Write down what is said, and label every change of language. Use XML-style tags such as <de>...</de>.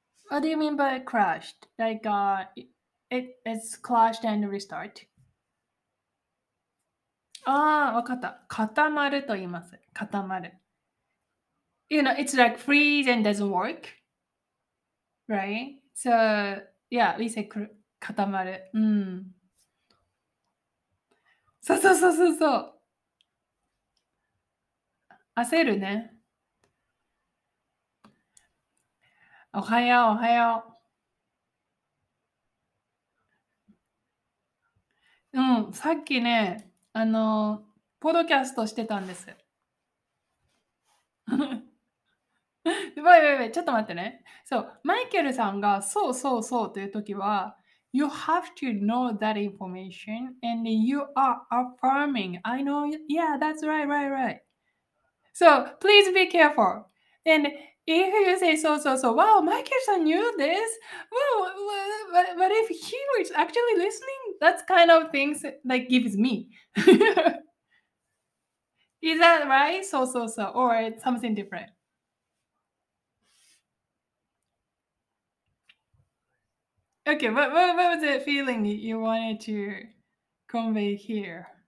<en>What do you mean by crashed? Like, it's crashed and restart.</en> <ja>ああ、わかった。固まると言います。固まる。</ja> <en>You know, it's like freeze and doesn't work. Right? So, yeah, we say 固まる。</en> <ja>うん。そうそうそうそうそう。焦るね。おはよう、おはよう。うん、さっきね、ポッドキャストしてたんです。やばいやばい、ちょっと待ってね。そう、マイケルさんがそうそうそうというときは、</ja> <en>You have to know that information and you are affirming. I know, yeah, that's right, right, right. So, please be careful. And if you say そうそうそう、Wow, マイケルさん knew this? Well, but if he was actually listening, that's kind of things that gives me. Is that right? そうそうそう、or something different? Okay, what was the feeling you wanted to convey here?</en>